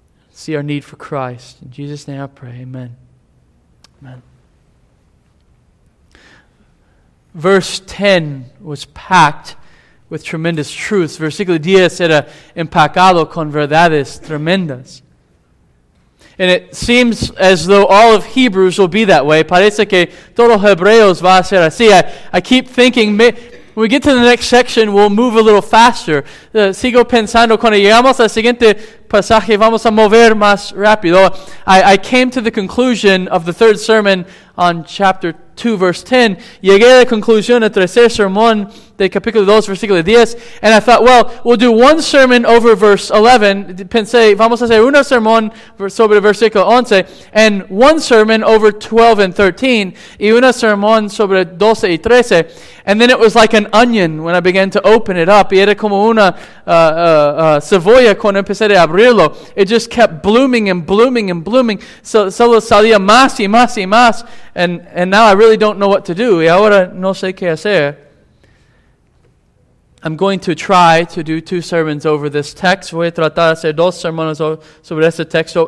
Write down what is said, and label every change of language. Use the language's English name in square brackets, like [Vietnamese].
[English] See our need for Christ. In Jesus' name I pray. Amen. Amen. Verse 10 was packed with tremendous truths. [Spanish] Versículo 10 era empacado con verdades tremendas. [English] And it seems as though all of Hebrews will be that way. [Spanish] Parece que todo Hebreos va a ser así. [English] I keep thinking, when we get to the next section, we'll move a little faster. [Spanish] Sigo pensando, cuando llegamos al siguiente pasaje, vamos a mover más rápido. [English] I came to the conclusion of the third sermon on chapter 2, verse 10. [Spanish] Llegué a la conclusión del tercer sermón de capítulo 2, versículo 10. [English] And I thought, well, we'll do one sermon over verse 11. [Spanish] Pensé, vamos a hacer un sermón sobre versículo 11. [English] And one sermon over 12 and 13. [Spanish] Y un sermón sobre 12 y 13. [English] And then it was like an onion when I began to open it up. [Spanish] Y era como una cebolla cuando empecé a abrirlo. [English] It just kept blooming and blooming and blooming. [Spanish] Solo salía más y más y más. [English] And now I really don't know what to do. [Spanish] Y ahora no sé qué hacer. [English] I'm going to try to do two sermons over this text. [Spanish] Voy a tratar de hacer dos sermones sobre este texto.